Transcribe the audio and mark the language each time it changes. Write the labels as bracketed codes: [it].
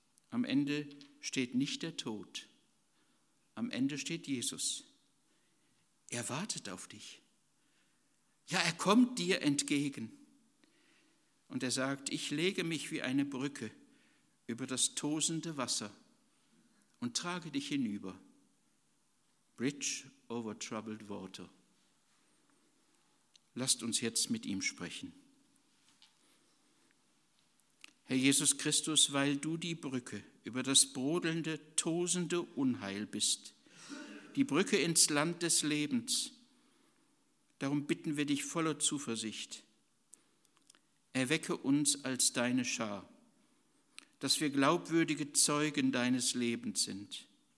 [de] Am Ende steht nicht der Tod. Am Ende steht Jesus. Er wartet auf dich. Ja, er kommt dir entgegen. Und er sagt: Ich lege mich wie eine Brücke über das tosende Wasser und trage dich hinüber. [en] Bridge over troubled water. [de] Lasst uns jetzt mit ihm sprechen. Herr Jesus Christus, weil du die Brücke über das brodelnde, tosende Unheil bist, die Brücke ins Land des Lebens, Darum bitten wir dich voller Zuversicht. Erwecke uns als deine Schar, dass wir glaubwürdige Zeugen deines Lebens sind.